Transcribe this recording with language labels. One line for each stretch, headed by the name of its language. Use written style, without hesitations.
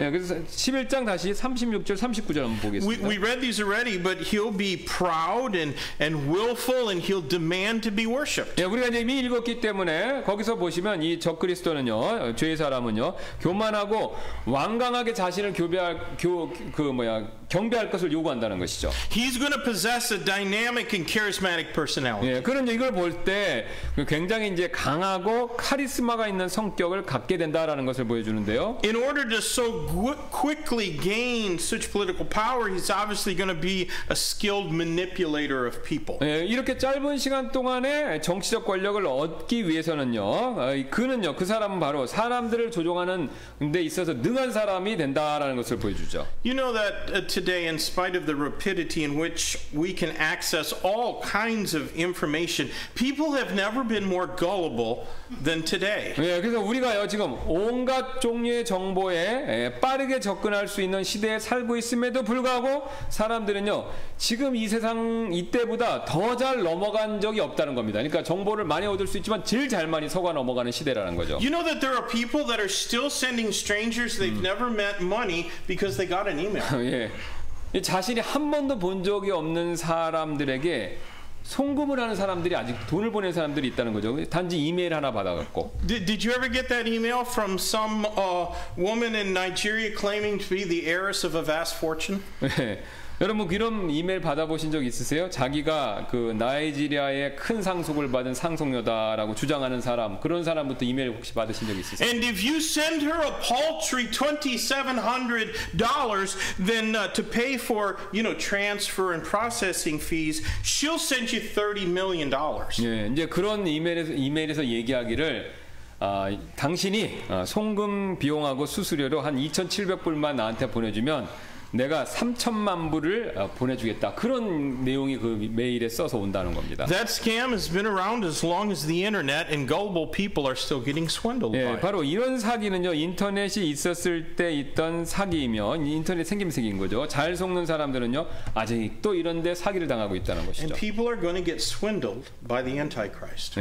Korean: 예, 그래서 11장 다시 36절 39절 한번 보겠습니다.
English: We read these already, but he'll be proud and willful, and he'll demand to be worshipped.
Korean: 예, 우리가 이미 읽었기 때문에 거기서 보시면 이 적그리스도는요, 죄의 사람은요, 교만하고 완강하게 자신을 교배할 경배할 것을 요구한다는 것이죠.
English: He's going to possess a dynamic and charismatic personality.
Korean: 예, 그런 이걸 볼 때 굉장히 이제 강하고 카리스마가 있는 성격을 갖게 된다라는 것을 보여주는데요.
English: In order to so quickly gain such political power, he's obviously going to be a skilled manipulator of people.
Korean: 예, 이렇게 짧은 시간 동안에 정치적 권력을 얻기 위해서는요, 그는요, 그 사람은 바로 사람들을 조종하는 데 있어서 능한 사람이 된다라는 것을 보여주죠.
English: You know that. Today, in spite of the rapidity in which we can access all kinds of information, people have never been more gullible than today.
Korean: 예, 그래서 우리가요 지금 온갖 종류의 정보에 빠르게 접근할 수 있는 시대에 살고 있음에도 불구하고 사람들은요 지금 이 세상 이때보다 더 잘 넘어간 적이 없다는 겁니다. 그러니까 정보를 많이 얻을 수 있지만 제일 잘 많이 속아 넘어가는 시대라는 거죠.
English: You know that there are people that are still sending strangers they've never met money because they got an email.
Korean: 예. 자신이 한 번도 본 적이 없는 사람들에게 송금을 하는 사람들이 아직 돈을 보낸 사람들이 있다는 거죠. 단지 이메일 하나 받아갖고.
English: Did you ever get that email from some woman in Nigeria claiming to be the heiress of a vast fortune?
Korean: 여러분 이런 이메일 받아보신 적 있으세요? 자기가 그 나이지리아의 큰 상속을 받은 상속녀다라고 주장하는 사람 그런 사람부터 이메일 혹시 받으신 적 있으세요?
English: And if you send her a paltry $2,700 then to pay for you know transfer and processing fees she'll send you $30 million.
Korean: 예, 이제 그런 이메일에서 얘기하기를 당신이 송금 비용하고 수수료로 한 2,700불만 나한테 보내주면 내가 3천만 불을 보내주겠다. 그런 내용이 그 메일에 써서 온다는 겁니다.
English: That scam has been around as long as the internet and gullible people are still getting swindled by.
Korean: 예, 바로 이런 사기는요. 인터넷이 있었을 때 있던 사기이며 인터넷 생김생인 거죠. 잘 속는 사람들은요. 아직도 이런 데 사기를 당하고 있다는 것이죠.
English: And people are going to get swindled by the antichrist.